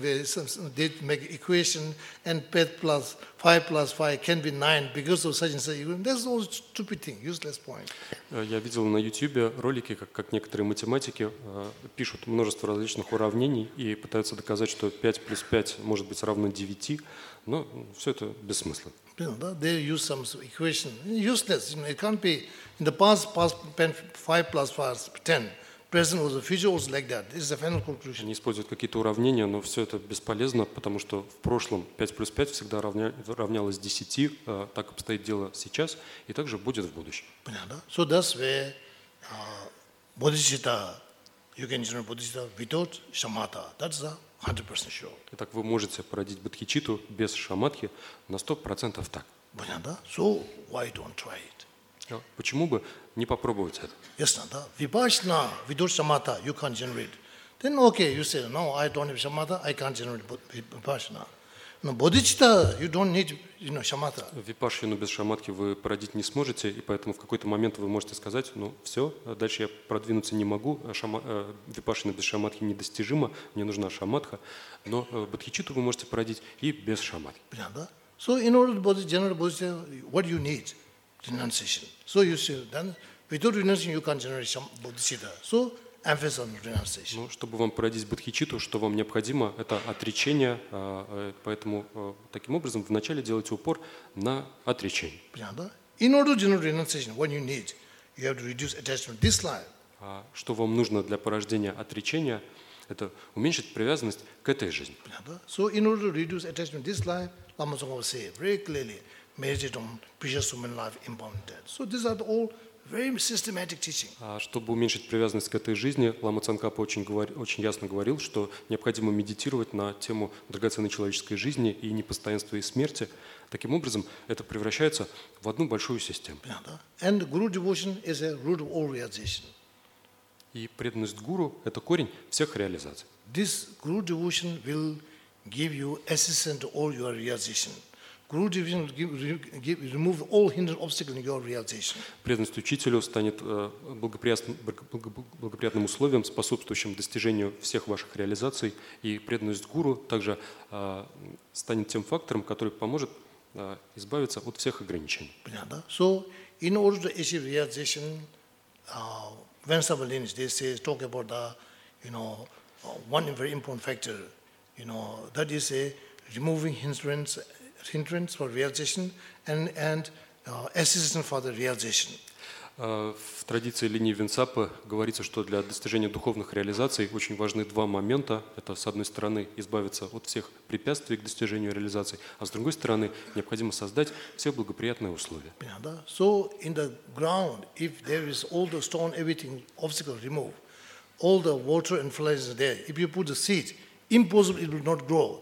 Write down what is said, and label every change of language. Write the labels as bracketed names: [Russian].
[English] They make equation and 5 + 5 + 5 can be 9 because of such and such. That's all stupid thing, useless point. [Russian] Я видел на YouTube ролики, как некоторые математики пишут множество различных уравнений и пытаются доказать, что 5 + 5 может быть равно 9. Но все это бессмысленно. Да, [English] they use some equation, useless. You know, it can't be in the past 5 + 5 = 10. Present was the future was like that. This is the final conclusion. [Russian] Они используют какие-то уравнения, но все это бесполезно, потому что в прошлом 5 + 5 всегда равнялось 10. Так обстоит дело сейчас и также будет в будущем. Понятно. [English] So that's where bodhicitta, you can generate bodhicitta without shamatha. That's the 100% sure. [Russian] Итак, вы можете породить бодхичитту без шамадхи на 100% так. Понятно? [English] So why don't try it? [Russian] Почему бы не попробовать это? Ясно, да? [English] Випашна, without shamatha, you can't generate. Then okay, you say, no, I don't have shamatha, I can't generate vipassana. [Russian] Но [English] бодхичитта, you don't need, you know, shamatha. [Russian] Випашину без шамадхи вы породить не сможете, и поэтому в какой-то момент вы можете сказать, ну все, дальше я продвинуться не могу, випашина без шамадхи недостижима, мне нужна шамадха. Но бодхичитту вы можете породить и без шамадхи. Понятно, да? [English] So in order to generate bodhicitta, what do you need? Renunciation. So you see, then without renunciation, you can't generate bodhicitta. So emphasis on renunciation. [Russian] Ну, чтобы вам породить бодхичитту, что вам необходимо, это отречение. Поэтому таким образом вначале делайте упор на отречение. Понятно? [English] In order to generate renunciation, what you need, you have to reduce attachment this life. [Russian] Что вам нужно для порождения отречения, это уменьшить привязанность к этой жизни. Понятно? [English] So in order to reduce attachment this life, Lama Tsongkhapa say very clearly, meditate on precious human life, inborn death. So these are all very systematic teaching. [Russian] Чтобы уменьшить привязанность к этой жизни, Лама Цанкапа очень ясно говорил, что необходимо медитировать на тему драгоценной человеческой жизни и непостоянства и смерти. Таким образом, это превращается в одну большую систему. [English] And guru devotion is a root of all realization. [Russian] И преданность гуру – это корень всех реализаций. [English] This guru devotion will give you assistance to all your realization. Guru devotion will remove all hindrance obstacles in your realization. [Russian] Преданность учителю станет благоприятным условием, способствующим достижению всех ваших реализаций, и преданность гуру также станет тем фактором, который поможет избавиться от всех ограничений. Понятно? [English] So, in order to achieve realization, Venerable Lineage, they say, talk about the, you know, one very important factor, you know, that is a removing hindrance. Hindrance for realization and assistance for the realization. [Russian] В традиции линии Винсапы говорится, что для достижения духовных реализаций очень важны два момента. Это, с одной стороны, избавиться от всех препятствий к достижению реализации, а с другой стороны, необходимо создать все благоприятные условия. [English] So in the ground, if there is all the stone, everything, obstacle removed, all the water and flowers are there, if you put the seed, impossible it will not grow.